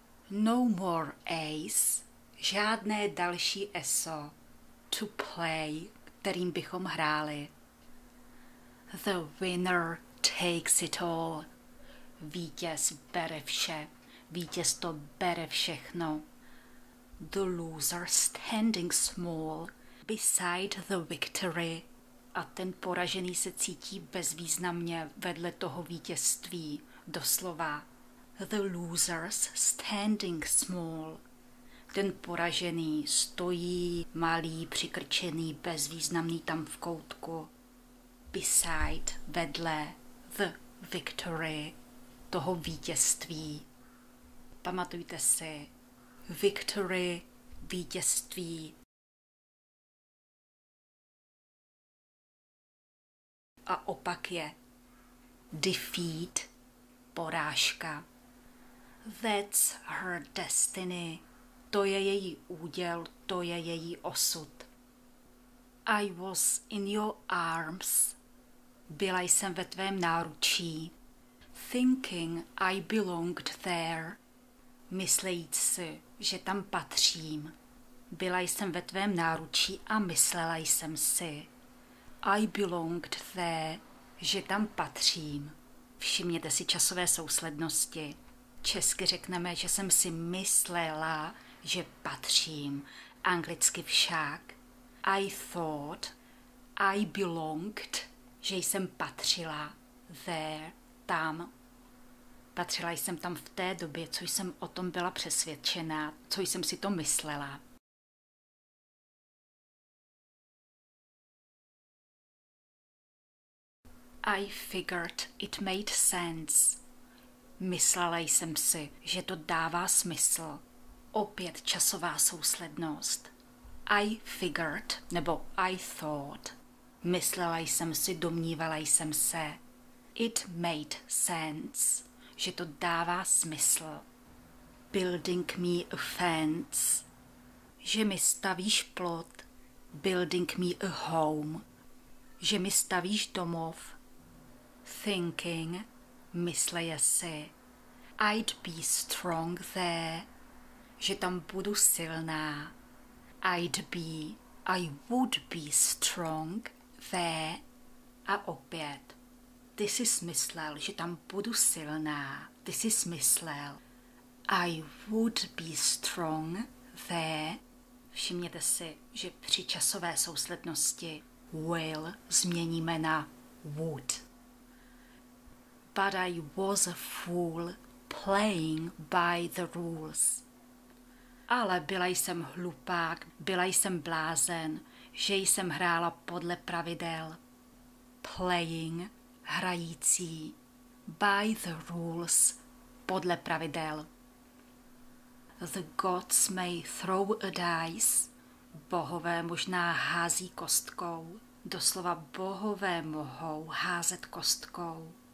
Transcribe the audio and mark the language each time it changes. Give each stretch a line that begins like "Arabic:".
English: No more ace,
Czech: žádné další eso,
English: to play,
Czech: kterým bychom hráli.
English: The winner takes it all,
Czech: vítěz bere vše, vítěz to bere všechno.
English: The loser standing small, beside the victory.
Czech: A ten poražený se cítí bezvýznamně vedle toho vítězství. Doslova.
English: The losers standing small.
Czech: Ten poražený stojí malý, přikrčený, bezvýznamný tam v koutku.
English: Beside,
Czech: vedle,
English: the victory.
Czech: Toho vítězství. Pamatujte si.
English: Victory,
Czech: vítězství. A opak je defeat, porážka.
English: That's her destiny.
Czech: To je její úděl, to je její osud.
English: I was in your arms.
Czech: Byla jsem ve tvém náručí.
English: Thinking I belonged there.
Czech: Myslejíc si, že tam patřím. Byla jsem ve tvém náručí a myslela jsem si.
English: I belonged there,
Czech: že tam patřím. Všimněte si časové souslednosti. Česky řekneme, že jsem si myslela, že patřím. Anglicky však.
English: I thought I belonged,
Czech: že jsem patřila
English: there,
Czech: tam. Patřila jsem tam v té době, co jsem o tom byla přesvědčena, co jsem si to myslela.
English: I figured it made sense.
Czech: Myslela jsem si, že to dává smysl. Opět časová souslednost.
English: I figured, nebo I thought.
Czech: Myslela jsem si, domnívala jsem se.
English: It made sense,
Czech: že to dává smysl.
English: Building me a fence,
Czech: že mi stavíš plot.
English: Building me a home,
Czech: že mi stavíš domov.
English: Thinking,
Czech: mysleje si.
English: I'd be strong there,
Czech: že tam budu silná.
English: I'd be, I would be strong there.
Czech: A opět. Ty jsi myslel, že tam budu silná. Ty jsi myslel.
English: I would be strong there.
Czech: Všimněte si, že při časové souslednosti will změníme na would.
English: But I was a fool playing by the rules.
Czech: Ale byla jsem hlupák, byla jsem blázen, že jsem hrála podle pravidel.
English: Playing,
Czech: hrající,
English: by the rules,
Czech: podle pravidel.
English: The gods may throw a dice,
Czech: bohové možná hází kostkou, doslova bohové mohou házet kostkou.